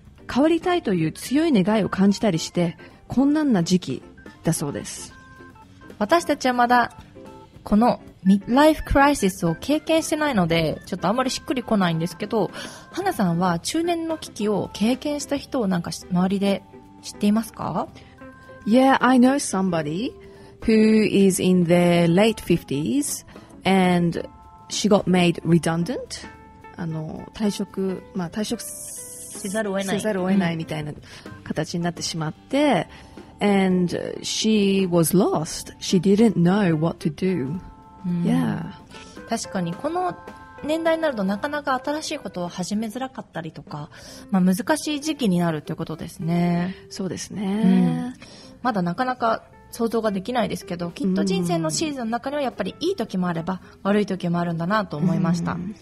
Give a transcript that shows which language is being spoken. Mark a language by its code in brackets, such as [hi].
[ja] 変わりたいという強い願いを感じたりして困難な時期だそうです。私たちはまだこのミッドライフクライシスを経験してないのでちょっとあんまりしっくりこないんですけど、花さんは中年の危機を経験した人をなんか周りで知っていますか？ [en] Yeah, I know somebody who is in their late 50sAnd she got made redundant. [ja] 退職、まあ、退職せざるを得ない、せざるを得ないみたいな形になってしまって、うん、 [en] And she was lost. She didn't know what to do.、うん、yeah. [ja] 確かにこの年代になるとなかなか新しいことを始めづらかったりとか、まあ、難しい時期になるということですね。そうですね、うん、まだなかなか想像ができないですけど、きっと人生のシーズンの中にはやっぱりいい時もあれば悪い時もあるんだなと思いました。